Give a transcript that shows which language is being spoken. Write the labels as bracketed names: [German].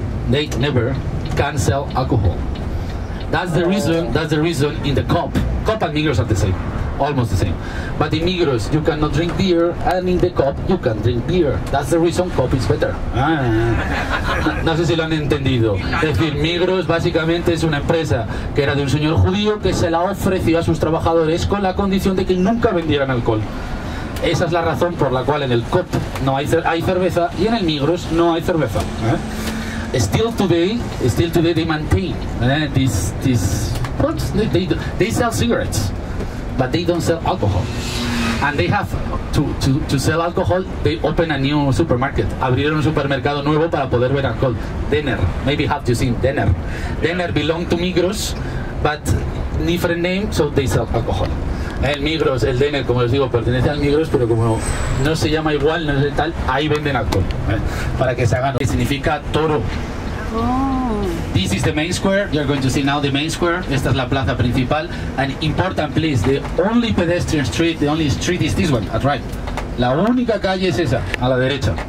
[English] They never can sell alcohol. That's the reason in the Coop and Migros are the same. Almost the same. But in Migros, you cannot drink beer, and in the Coop, you can drink beer. That's the reason Coop is better. [Spanish] No sé si lo han entendido. Es decir, Migros básicamente es una empresa que era de un señor judío que se la ofreció a sus trabajadores con la condición de que nunca vendieran alcohol. Esa es la razón por la cual en el Coop no hay cerveza y en el Migros no hay cerveza. [English] Still today they maintain this. What? They sell cigarettes, but they don't sell alcohol. And they have to sell alcohol. They open a new supermarket. [Spanish] Abrieron un supermercado nuevo para poder ver alcohol. Denner, [English] maybe have you seen Denner? Denner belong to Migros, but different name, so they sell alcohol. [Spanish] El Migros, el Denner, como les digo, pertenece al Migros, pero como no se llama igual, no es de tal, ahí venden alcohol. Para que se hagan. ¿Qué significa toro? Oh. [English] This is the main square. You're going to see now the main square. [Spanish] Esta es la plaza principal. [English] And important, please, the only pedestrian street, the only street is this one, at right. [Spanish] La única calle es esa, a la derecha.